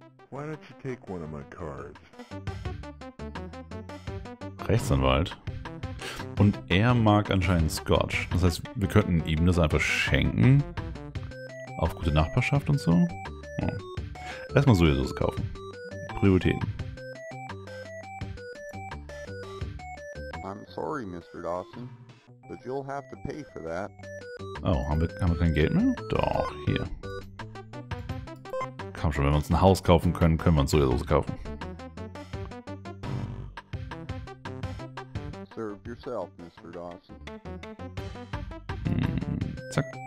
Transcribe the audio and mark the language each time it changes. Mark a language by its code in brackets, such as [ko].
[en] Why don't you take one of my cards? [de] Rechtsanwalt. Und mag anscheinend Scotch. Das heißt, wir könnten ihm das einfach schenken. auf gute Nachbarschaft und so. Ja. Erstmal Sojasauce kaufen. Prioritäten. [en] I'm sorry, Mr. Dawson, but you'll have to pay for that. [de] Oh, haben wir kein Geld mehr? Doch, hier. Komm schon, wenn wir uns ein Haus kaufen können, können wir uns Sojasauce kaufen. [en] Serve yourself, Mr. Dawson. [de] Zack.